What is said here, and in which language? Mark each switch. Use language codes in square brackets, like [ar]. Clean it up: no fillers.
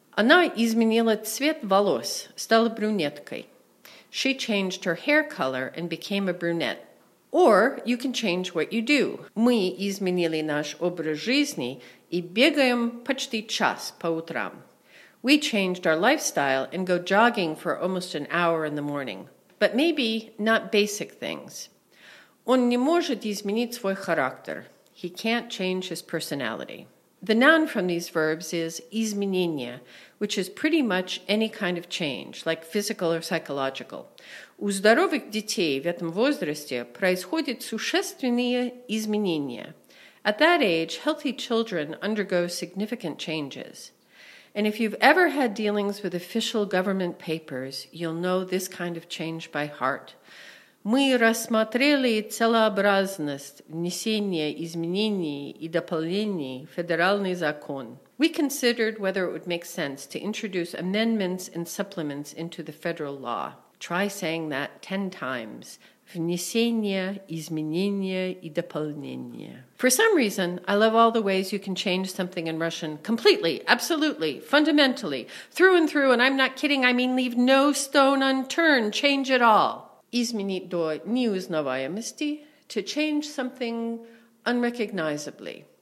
[ru] Она изменила цвет волос, стала брюнеткой. [en] She changed her hair color and became a brunette. Or you can change what you do. [ru] Мы изменили наш образ жизни и бегаем почти час по утрам. [en] We changed our lifestyle and go jogging for almost an hour in the morning. But maybe not basic things. [ru] Он не может изменить свой характер. [en] He can't change his personality. The noun from these verbs is изменение, which is pretty much any kind of change, like physical or psychological. [ru] У здоровых детей в этом возрасте происходят существенные изменения. [en] At that age, healthy children undergo significant changes. And if you've ever had dealings with official government papers, you'll know this kind of change by heart. [ru] Мы рассмотрели целесообразность внесения изменений и дополнений в федеральный закон. [en] We considered whether it would make sense to introduce amendments and supplements into the federal law. Try saying that 10 times. [ru] Внесение, изменение и дополнение. [en] For some reason, I love all the ways you can change something in Russian completely, absolutely, fundamentally, through and through, and I'm not kidding, I mean leave no stone unturned, change it all. [ru] Изменить до неузнаваемости, [en] to change something unrecognizably.